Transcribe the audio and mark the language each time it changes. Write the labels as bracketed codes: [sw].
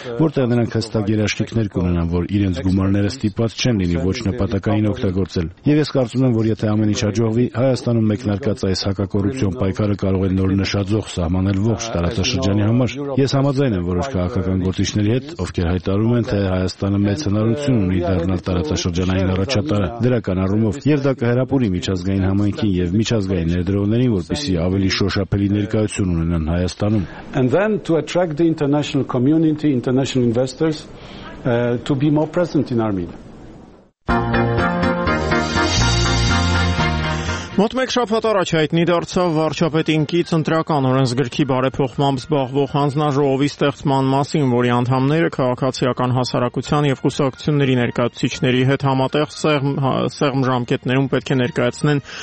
[hy] որտեղ նրանք հստակ երաշխիքներ կունենան, որ իրենց գումարները ստիպած չեն լինի ոչ նպատակային օգտագործել։ Եվ ես կարծում եմ, որ եթե ամեն ինչ հաջողվի, Հայաստանում մեկնարկած այս հակակոռուպցիոն պայքարը կարող է նոր նշաձող սահմանել ողջ տարածաշրջանի համար։ Ես համաձայն եմ որոշ քաղաքական գործիչների հետ, ովքեր հայտարարում են, թե Հայաստանը մեծ հնարություն ունի դառնալ տարածաշրջանային առաջատարը դրական առումով, և դա կհրապուրի միջազգային համայնքին և միջազգային ներդրողներին, որպեսզի ավելի շոշափելի ներկայություն ունենան Հայաստանում. [en] And then to attract the international community, international investors, to be more present in Armenia. [hy] Մոտ մեկ շաբաթ առաջ հայտնի դարձավ վարչապետինքից ընտրական օրենսգրքի բարեփոխմամբ զբաղվող հանձնաժողովի ստեղծման մասին, որի անդամները քաղաքացիական հասարակության և կուսակցությունների ներկայացուցիչների հետ համատեղ սեղմ ժամկետներում պետք է ներկայացնեն